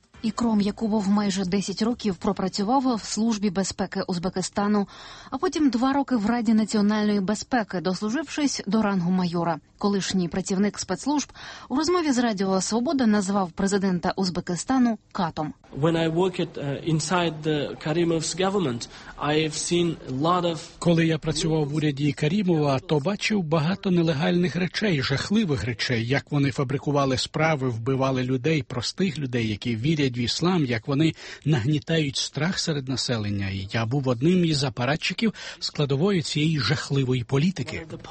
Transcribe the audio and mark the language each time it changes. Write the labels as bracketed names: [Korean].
[Ukrainian] Ікром Якубов майже 10 років пропрацював в Службі безпеки Узбекистану, а потім 2 роки в Раді національної безпеки, дослужившись до рангу майора. Колишній працівник спецслужб у розмові з Радіо Свобода назвав президента Узбекистану катом. [English] When I worked inside the Karimov's government, I've seen a lot of... [Ukrainian] Коли я працював в уряді Карімова, то бачив багато нелегальних речей, жахливих речей, як вони фабрикували справи, вбивали людей, простих людей, які вірять в іслам, як вони нагнітають страх серед населення. І я був одним із апаратчиків складової цієї жахливої політики.